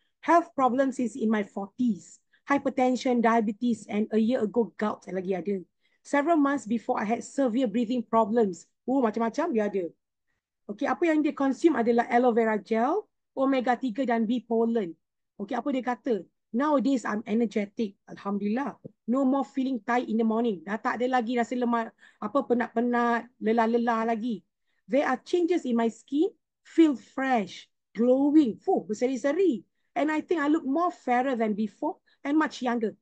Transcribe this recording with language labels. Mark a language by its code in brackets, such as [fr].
[en] Health problems since in my 40s. Hypertension, diabetes and a year ago gout [ms] lagi ada. [en] Several months before I had severe breathing problems. [ms] Oh, macam-macam dia ada. Okay, apa yang dia consume adalah aloe vera gel, omega 3 dan B pollen. [en] Okay, [ms] apa dia kata? [en] Nowadays I'm energetic, alhamdulillah. No more feeling tired in the morning. [ms] Dah tak ada lagi rasa lemah, apa penat-penat, lelah-lelah lagi. [en] There are changes in my skin, feel fresh, glowing. Fuh, [ms] berseri-seri. [en] And I think I look more fairer than before and much younger.